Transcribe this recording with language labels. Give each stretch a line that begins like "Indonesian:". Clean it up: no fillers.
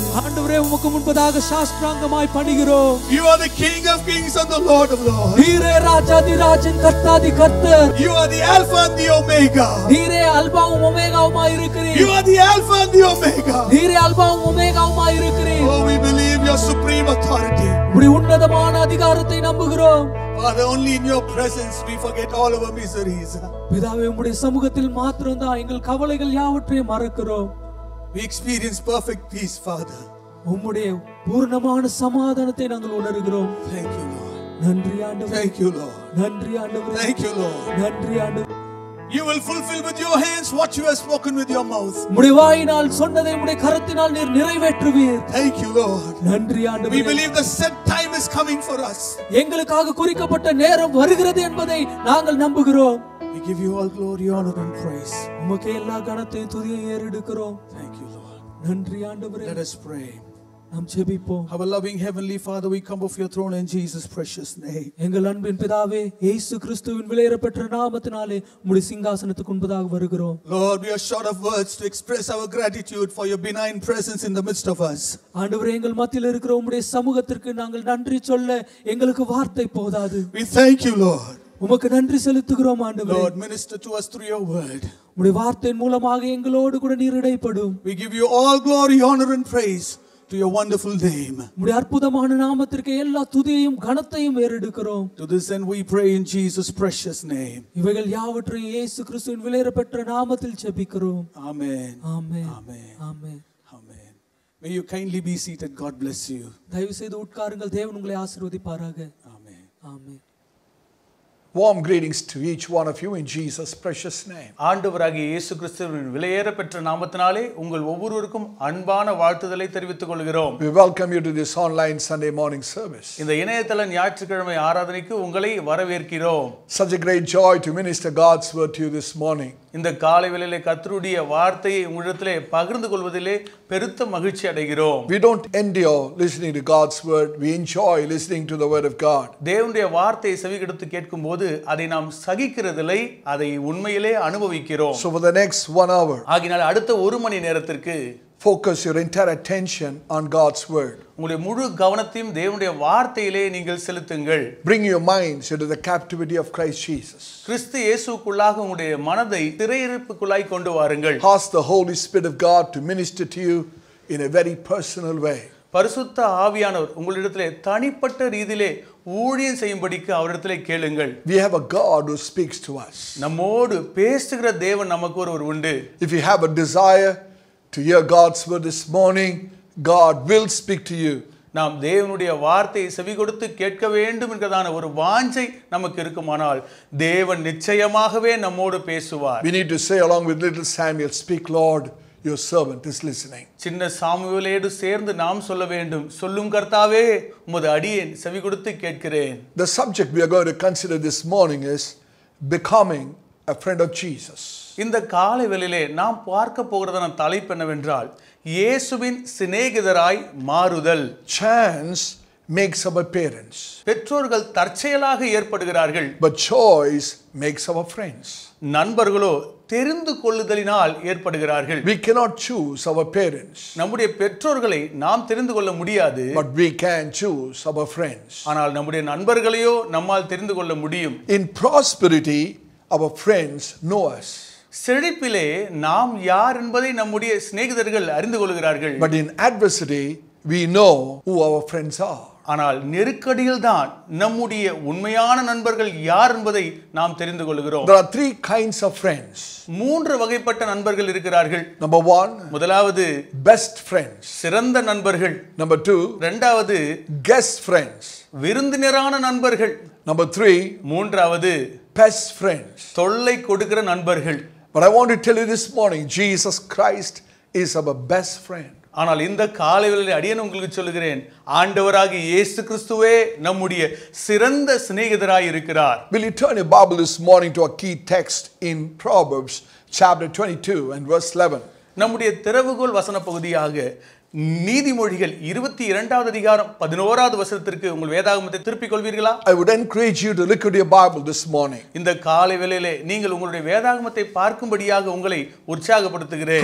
Tamil: ஆண்டவரே உமக்கு முன்பதாக சாஸ்திராங்கமாய் பணிகிறோம்.
English: You are the King of Kings and the Lord of Lords.
Tamil: நீரே ராஜாதி ராஜன் கர்த்தாதி கர்த்தர்.
English: You are the Alpha and the Omega.
Tamil: நீரே ஆல்பாவும் ஒமேகாவுமாய் இருக்கிறீர்.
English: You are the Alpha and the Omega.
Tamil: நீரே ஆல்பாவும் ஒமேகாவுமாய் இருக்கிறீர்.
English: Oh, we believe your supreme authority.
Tamil: உம்முடைய உன்னதமான அதிகாரத்தை நம்புகிறோம்.
English: Father, only in your presence we forget all of our miseries.
Tamil: பிதாவே உம்முடைய சமூகத்தில் மாத்திரம்தான் எங்கள் கவலைகள் யாவற்றையும் மறக்கிறோம்.
English: We experience perfect peace, Father.
Tamil: உம்முடைய பூர்ணமான சமாதானத்தை நாங்கள் உணர்கிறோம்.
English: Thank you, Lord.
Tamil: நன்றி ஆண்டவரே.
English: Thank you, Lord.
Tamil: நன்றி ஆண்டவரே.
English: Thank you, Lord.
Tamil: நன்றி ஆண்டவரே.
English: You will fulfill with your hands what you have spoken with your mouth.
Tamil: முடிவாயினால் சொன்னதை உம்முடைய கரத்தினால் நீர் நிறைவேற்றுவீர்.
English: Thank you, Lord.
Tamil: நன்றி ஆண்டவரே.
English: We believe the set time is coming for us.
Tamil: எங்களுக்காக குறிக்கப்பட்ட நேரம் வருகிறது என்பதை நாங்கள் நம்புகிறோம்.
English: We give you all glory, honor and praise.
Tamil: உமக்கு எல்லா கனத்தையும் துதியை ஏறெடுக்கிறோம்.
English: Thank you, Lord.
Tamil: நன்றி ஆண்டவரே.
English: Let us pray.
Tamil: நாம் ஜெபிப்போம்.
English: Our loving heavenly Father, we come before your throne in Jesus precious name.
Tamil: எங்கள் அன்பின் பிதாவே, இயேசு கிறிஸ்துவின் விலையேறப்பெற்ற நாமத்தினாலே உம்முடைய சிங்காசனத்துக்கு முன்பதாக வருகிறோம்.
English: Lord, we are short of words to express our gratitude for your benign presence in the midst of us.
Tamil: ஆண்டவரே, எங்கள் மத்தியில் இருக்கிற உம்முடைய சமூகத்திற்கு நாங்கள் நன்றி சொல்ல எங்களுக்கு வார்த்தை போதாது.
English: We thank you, Lord.
Tamil: உமக்கு நன்றி செலுத்துகிறோம் ஆண்டவரே.
English: Lord, minister to us through your word.
Tamil: உம்முடைய வார்த்தையின் மூலமாக எங்களோடு கூட நீர் இடைப்படும்.
English: We give you all glory, honor and praise. To your wonderful name.
Tamil: உம்முடைய அற்புதமான நாமத்திற்கு எல்லா துதியையும் கனத்தையும் ஏறெடுக்கிறோம்.
English: To this end we pray in Jesus precious name.
Tamil: இவைகள் யாவற்றையும் இயேசு கிறிஸ்துவின் விலையேறப்பெற்ற நாமத்தில் ஜெபிக்கிறோம்.
English: Amen. Amen. Amen. Amen. Amen. May you kindly be seated. God bless you.
Tamil: தயவு செய்து உட்காருங்கள். தேவன் உங்களை ஆசீர்வதிப்பாராக.
English: Amen. Amen. Warm greetings to each one of you in Jesus precious name.
Tamil: ஆண்டவராகிய இயேசு கிறிஸ்துவின் விலையேறப்பெற்ற நாமத்தினாலே உங்கள் ஒவ்வொருவருக்கும் அன்பான வாழ்த்துதலை தெரிவித்துக் கொள்கிறோம்.
English: We welcome you to this online Sunday morning service.
Tamil: இந்த இணையதள ஞாயிற்றுக்கிழமை ஆராதனைக்கு உங்களை வரவேற்கிறோம்.
English: Such a great joy to minister God's word to you this morning.
Tamil: இந்த காலை வேளையிலே கர்த்தருடைய வார்த்தையை உங்களிடத்திலே பகிர்ந்து கொள்வதிலே பெருத்த மகிழ்ச்சி அடைகிறோம்.
English: We don't endure listening to God's word. We enjoy listening to the word of God.
Tamil: தேவனுடைய வார்த்தையை செவிகொடுத்து கேட்கும்போது அதை நாம் சகிக்கிறதில்லை, அதை உண்மையிலே அனுபவிக்கிறோம்.
English: So for the next 1 hour.
Tamil: ஆகினால் அடுத்த 1 மணி நேரத்திற்கு
English: focus your entire attention on God's word.
Tamil: உங்களுடைய முழு கவனத்தையும் தேவனுடைய வார்த்தையிலே நீங்கள் செலுத்துங்கள்.
English: Bring your minds into the captivity of Christ Jesus.
Tamil: கிறிஸ்து இயேசுவுக்குள்ளாக உங்களுடைய மனதை சிறையிருப்புக்குள்ளாய் கொண்டு வாருங்கள்.
English: Ask the Holy Spirit of God to minister to you in a very personal way.
Tamil: பரிசுத்த ஆவியானவர் உங்களிடத்திலே தனிப்பட்ட ரீதியிலே ஊழியம் செய்யும்படிக்கு அவரிடத்திலே கேளுங்கள்.
English: We have a God who speaks to us.
Tamil: நம்மோடு பேசுகிற தேவன் நமக்கு ஒருவர் உண்டு.
English: If you have a desire to hear God's word this morning, God will speak to you.
Tamil: நாம் தேவனுடைய வார்த்தையை செவி கொடுத்து கேட்க வேண்டும் என்கிறதான ஒரு வாஞ்சை நமக்கு இருக்குமானால் தேவன் நிச்சயமாகவே நம்மோடு பேசுவார்.
English: We need to say along with little Samuel, speak Lord. Your servant is listening.
Tamil: சின்ன சாமுவேலேடு சேர்ந்து நாம் சொல்ல வேண்டும், சொல்லும் கர்த்தாவே உமது அடியேன் செவி கொடுத்து கேட்கிறேன்.
English: The subject we are going to consider this morning is becoming a friend of Jesus.
Tamil: இந்த காலை வேளையிலே நாம் பார்க்க போகிறதான தலைப்பு என்னவென்றால் இயேசுவின் சிநேகிதராய் மாறுதல்.
English: Chance makes our parents.
Tamil: பெற்றோர்கள் தற்செயலாக ஏற்படுகிறார்கள்.
English: But choice makes our friends.
Tamil: நண்பர்களோ தெரிந்து கொள்ளுதலினால் ஏற்படுகிறார்கள்.
English: We cannot choose our parents.
Tamil: நம்முடைய பெற்றோர்களை நாம் தெரிந்து கொள்ள முடியாது.
English: But we can choose our friends.
Tamil: ஆனால் நம்முடைய நண்பர்களையோ நம்மால் தெரிந்து கொள்ள முடியும்.
English: In prosperity, our friends know us.
Tamil: செழிப்பிலே நாம் யார் என்பதை நம்முடைய சிநேகிதர்கள் அறிந்து கொள்கிறார்கள்.
English: But in adversity, we know who our friends are.
Tamil: ஆனால் நெருக்கடியில் தான் நம்முடைய உண்மையான நண்பர்கள் யார் என்பதை நாம் தெரிந்து கொள்கிறோம்.
English: There are three kinds of friends.
Tamil: மூன்று வகைப்பட்ட நண்பர்கள் இருக்கிறார்கள்.
English: Number one,
Tamil: முதலாவது
English: best friends,
Tamil: சிறந்த நண்பர்கள்.
English: Number two,
Tamil: இரண்டாவது
English: guest friends,
Tamil: விருந்தினரான நண்பர்கள்.
English: Number three,
Tamil: மூன்றாவது
English: best friends,
Tamil: தொல்லை கொடுக்கிற நண்பர்கள்.
English: But I want to tell you this morning, Jesus Christ is our best friend.
Tamil: ஆனால் இந்த காலையில் அடியேன் உங்களுக்கு சொல்கிறேன், ஆண்டவராக இயேசு கிறிஸ்துவே நம்முடைய சிறந்த சிநேகிதராய் இருக்கிறார்.
English: Will you turn your Bible this morning to a key text in Proverbs chapter 22 and verse 11.
Tamil: நம்முடைய திறவுகோல் வசன பகுதியாக நீதிமொழிகள் 22வது அதிகாரம் 11வது வசனத்திற்கு உங்கள் வேதாகமத்தை திருப்பி கொள்வீர்களா?
English: I would encourage you to look at your Bible this morning.
Tamil: இந்த காலை வேளையிலே நீங்கள் உங்களுடைய வேதாகமத்தை பார்க்கும்படியாக உங்களை உற்சாகப்படுத்துகிறேன்.